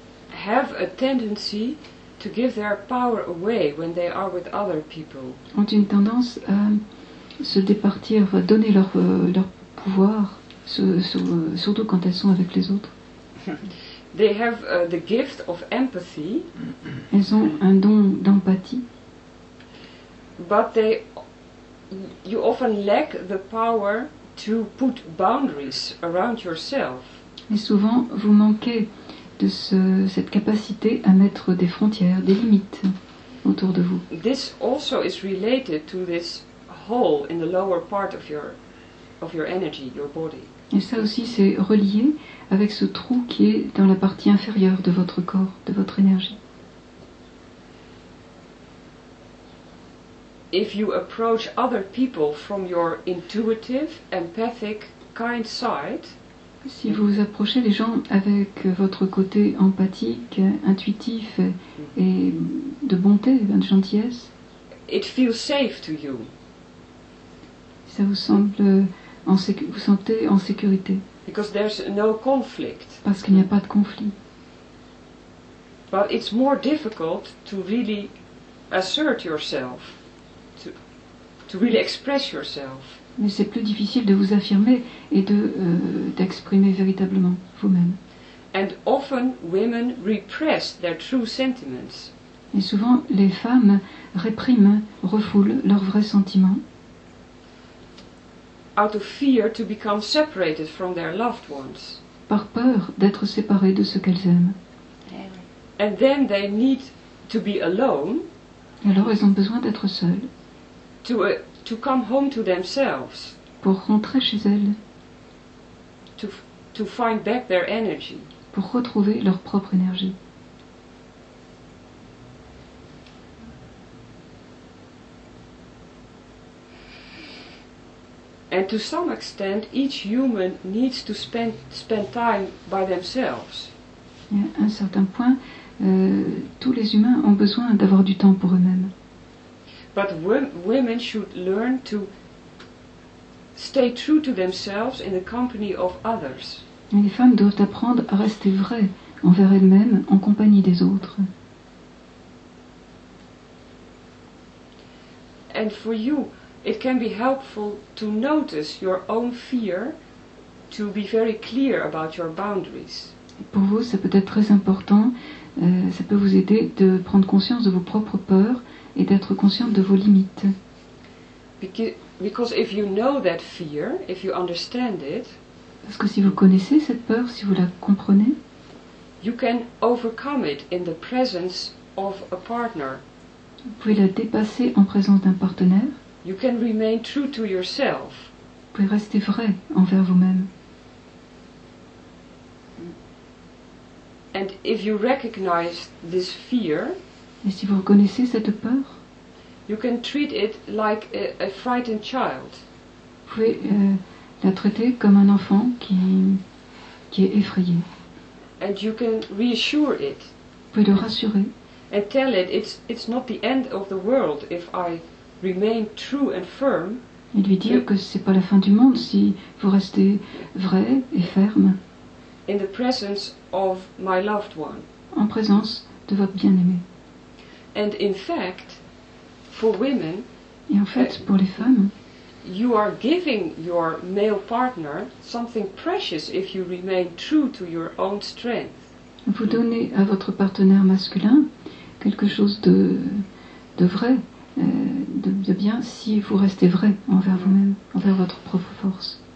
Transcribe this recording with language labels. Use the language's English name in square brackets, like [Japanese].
[English] have a tendency to give their power away when they are with other people. [French] Ont une tendance à se départir, donner leur leur pouvoir, surtout quand elles sont avec les autres. [English] They have the gift of empathy. [French] Elles ont un don d'empathie. [English] But they, you often lack the power to put boundaries around yourself. [French] Et souvent, vous manquez de cette capacité à mettre des frontières, des limites autour de vous. [English] This also is related to this hole in the lower part of your energy, your body. [French] Et ça aussi, c'est relié avec ce trou qui est dans la partie inférieure de votre corps, de votre énergie. [English] If you approach other people from your intuitive, empathic, kind side, [French] si vous approchez les gens avec votre côté empathique, intuitif et de bonté, de gentillesse, [English] it feels safe to you. [French] Ça vous semble vous sentez en sécurité. [English] Because there's no conflict. [French] Parce qu'il n'y a pas de conflit. [English] But it's more difficult to really assert yourself. To really express yourself. [French] Mais c'est plus difficile de vous affirmer et d'exprimer véritablement vous-même. [English] And often women repress their true sentiments. [French] Et souvent les femmes répriment, refoulent leurs vrais sentiments. [English] Out of fear to become separated from their loved ones. [French] Par peur d'être séparées de ceux qu'elles aiment. [English] And then they need to be alone. [French] Et alors elles ont besoin d'être seules. [English] To come home to themselves. [French] Pour rentrer chez elles. [English] To find back their energy. [French] Pour retrouver leur propre énergie. [English] And to some extent, each human needs to spend time by themselves. [French] Et à un certain point, tous les humains ont besoin d'avoir du temps pour eux-mêmes. [English] But women should learn to stay true to themselves in the company of others. [French] Et les femmes doivent apprendre à rester vraies envers elles-mêmes en compagnie des autres. [English] And for you, it can be helpful to notice your own fear, to be very clear about your boundaries. [French] Pour vous, ça peut être très important, ça peut vous aider de prendre conscience de vos propres peurs et d'être consciente de vos limites. [English] Because if you know that fear, if you understand it, [French] parce que si vous connaissez cette peur, si vous la comprenez, [English] you can overcome it in the presence of a partner. [French] Vous pouvez la dépasser en présence d'un partenaire. [English] You can remain true to yourself. [French] Vous pouvez rester vrai envers vous-même. [English] And if you recognize this fear, [French] et si vous reconnaissez cette peur, [English] you can treat it like a frightened child. [French] Vous pouvez la traiter comme un enfant qui est effrayé. [English] And you can reassure it. [French] Vous pouvez le rassurer. [English] And tell it it's not the end of the world if I remain true and firm. [French] Et lui dire que c'est pas la fin du monde si vous restez vrai et ferme. [English] In the presence of my loved one. [French] En présence de votre bien-aimé. [English] And in fact, for women, [French] et en fait, pour les femmes, [English] you are giving your male partner something precious if you remain true to your own strength. [French] Vous donnez à votre partenaire masculin quelque chose de vrai, de bien, si vous restez vrai envers vous-même, envers votre propre force.